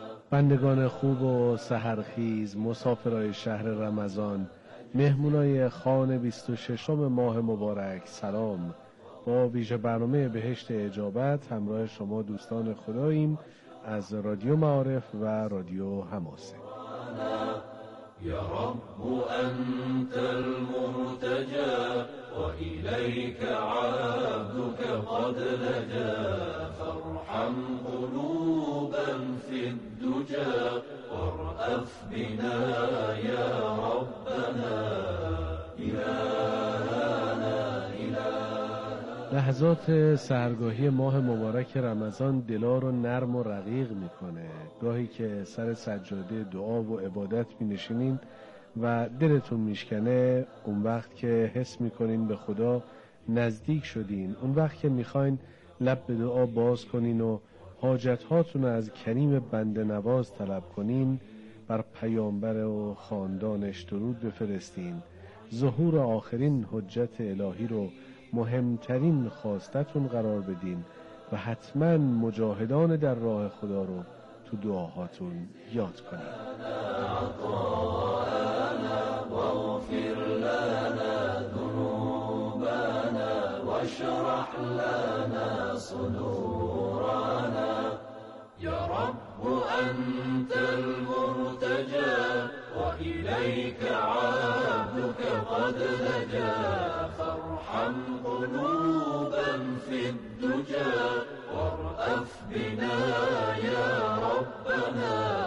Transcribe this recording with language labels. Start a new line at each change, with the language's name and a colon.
Persian: بندگان خوب و سحرخیز، مسافرای شهر رمضان، مهمونای خان 26 ماه مبارک، سلام. با ویژه برنامه بهشت اجابت همراه شما دوستان خداییم از رادیو معارف و رادیو حماسه.
Arabic: یا رب انت المرتجا و الیک عبدك قد لجا، فارحم قلوبا في الدجا وارأف بنا يا ربنا. إلهنا إلهنا.
Persian: لحظات سحرگاهی ماه مبارک رمضان دلا رو نرم و رقیق میکنه. گاهی که سر سجاده دعا و عبادت مینشینین و دلتون میشکنه، اون وقت که حس میکنین به خدا نزدیک شدین، اون وقت که میخواین لب به دعا باز کنین و حاجت هاتون رو از کریم بنده نواز طلب کنین، بر پیامبر و خاندانش درود بفرستین، ظهور آخرین حجت الهی رو مهمترین خواستتون قرار بدین و حتما مجاهدان در راه خدا رو تو دعاهاتون یاد کنین.
Arabic: واغفر لنا ذنوبنا واشرح لنا صدورنا. يا رب أنت المرتجى وإليك عبدك قد لجا، فارحم قلوبا في الدجا وارأف بنا يا ربنا.